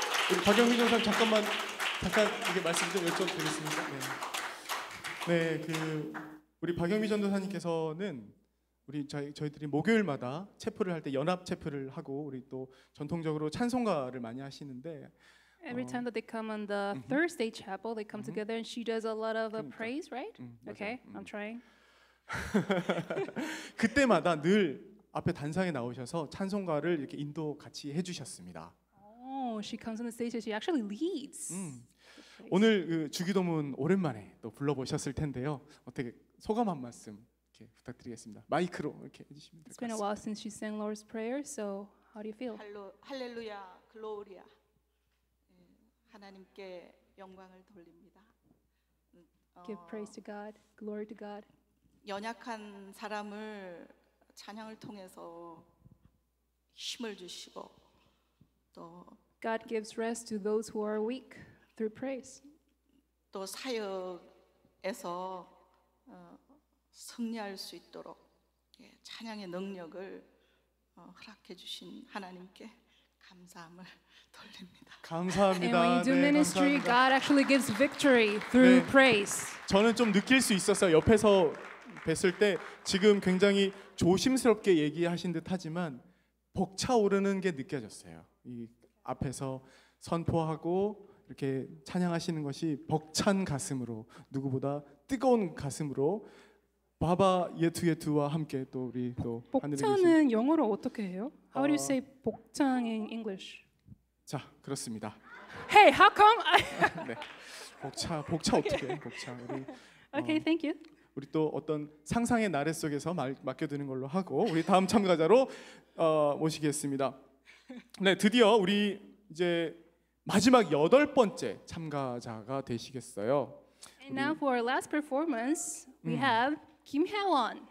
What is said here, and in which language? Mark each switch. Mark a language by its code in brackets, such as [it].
[ko] 우리 박영민 선생 잠깐 이게 말씀 좀 여쭤도 되겠습니까? 네. 네, 그 우리 박영미 전도사님께서는 우리 저희들이 목요일마다 체프를 할 때 연합 체프를 하고 우리 또 전통적으로 찬송가를 많이 하시는데 [en] every time that they come on the Thursday chapel they come together and she does a lot of [ko] 그러니까. [en] praise, right? Okay. I'm trying. [ko] 그때마다 늘 앞에 단상에 나오셔서 찬송가를 이렇게 인도 같이 해 주셨습니다. [en] Oh, she comes on the stage and she actually leads. [ko] 오늘 그 주기도문 오랜만에 또 불러보셨을 텐데요. 어떻게 소감 한 말씀 이렇게 부탁드리겠습니다. 마이크로 이렇게 해주시면 될 것 같습니다. [en] It's been a while since she sang Lord's Prayer, so how do you feel? [ko] 할렐루야, 글로리아. 하나님께 영광을 돌립니다. [en] Give praise to God, glory to God. [ko] 연약한 사람을 찬양을 통해서 힘을 주시고 또 [en] God gives rest to those who are weak. Through praise. [ko] 또 사역에서 승리할 수 있도록 예, 찬양의 능력을 허락해 주신 하나님께 감사함을 돌립니다. 감사합니다. [en] And when you do ministry, 네, God actually gives victory through 네, praise. [ko] 저는 좀 느낄 수 있었어요. 옆에서 뵀을 때 지금 굉장히 조심스럽게 얘기하신 듯하지만 벅차오르는 게 느껴졌어요. 이 앞에서 선포하고 이렇게 찬양하시는 것이 벅찬 가슴으로 누구보다 뜨거운 가슴으로 바바 예투예투와 함께 또 우리 또 벅찬은 영어로 어떻게 해요? [en] How do you say 벅찬 in English? [ko] 자 그렇습니다. [en] Hey, how come? [ko] 네, 벅차 어떻게 벅차 우리 [en] Okay, thank you. [ko] 우리 또 어떤 상상의 나래 속에서 맡겨드는 걸로 하고 우리 다음 참가자로 모시겠습니다. 네, 드디어 우리 이제 마지막 여덟 번째 참가자가 되시겠어요. [en] And now for our last performance, we have 김혜원.